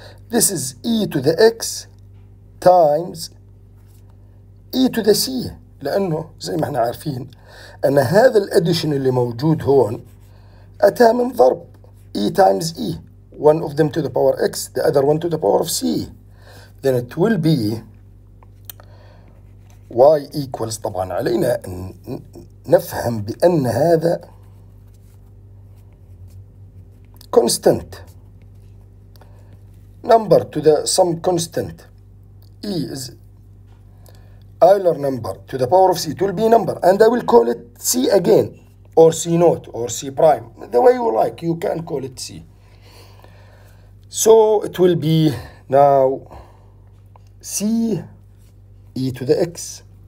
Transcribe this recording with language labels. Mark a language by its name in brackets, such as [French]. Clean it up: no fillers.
[English] This is e to the x times e to the c. [Arabic] لأنه زي ما احنا عارفين أن هذا الأديشن اللي موجود هون أتى من ضرب e times e. [English] One of them to the power x, the other one to the power of c. Then it will be y equals. [Arabic] طبعا علينا أن نفهم بأن هذا constant. [English] Number to the some constant. E is Euler number to the power of c. It will be number. And I will call it c again. Or c naught or c prime. The way you like. You can call it c. So it will be now c e to the x.